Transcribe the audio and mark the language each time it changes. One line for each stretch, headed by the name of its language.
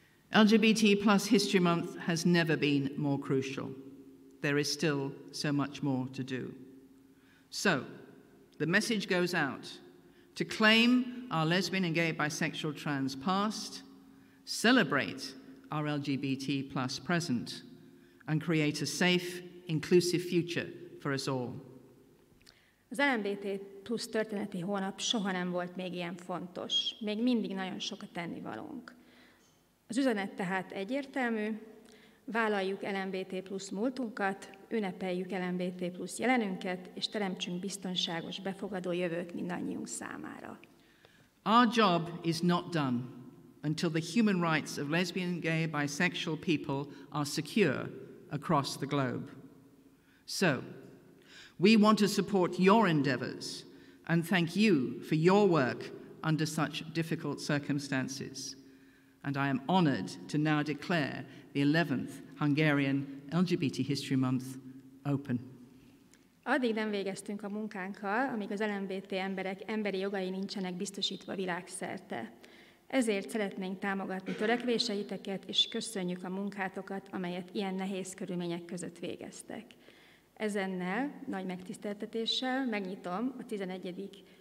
English: LGBT plus History Month has never been more crucial. There is still so much more to do. So, the message goes out to claim our lesbian and gay bisexual trans past, celebrate our LGBT plus present, and create a safe, inclusive future for us all.
Hungarian: Az LMBT plus történeti hónap soha nem volt még ilyen fontos. Még mindig nagyon sok a tennivalónk. Az üzenet tehát egyértelmű, vállaljuk LMBT plus múltunkat, ünnepeljük LMBT plus jelenünket, és teremtsünk biztonságos, befogadó jövőt mindannyiunk számára.
English: Our job is not done until the human rights of lesbian, gay, bisexual people are secure across the globe. So, we want to support your endeavors and thank you for your work under such difficult circumstances. And I am honored to now declare the 11th Hungarian LGBT History Month open.
Hungarian: Addig nem végeztünk a munkánkkal, amíg az LMBT emberek emberi jogai nincsenek biztosítva világszerte. Ezért szeretnénk támogatni törekvéseiteket, és köszönjük a munkátokat, amelyet ilyen nehéz körülmények között végeztek. Ezennel, nagy megtiszteltetéssel megnyitom a 11.